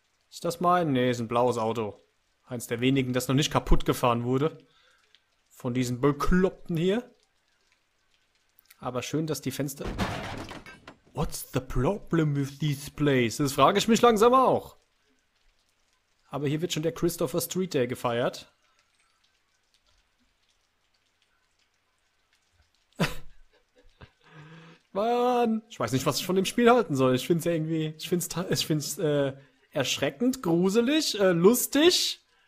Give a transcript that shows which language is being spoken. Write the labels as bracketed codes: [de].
[de] Ist das mein? Nee, ist ein blaues Auto. Eins der wenigen, das noch nicht kaputt gefahren wurde. Von diesen Bekloppten hier. Aber schön, dass die Fenster... [en] What's the problem with this place? [de] Das frage ich mich langsam auch. Aber hier wird schon der Christopher Street Day gefeiert. Mann! Ich weiß nicht, was ich von dem Spiel halten soll. Ich finde es irgendwie... erschreckend, gruselig, lustig...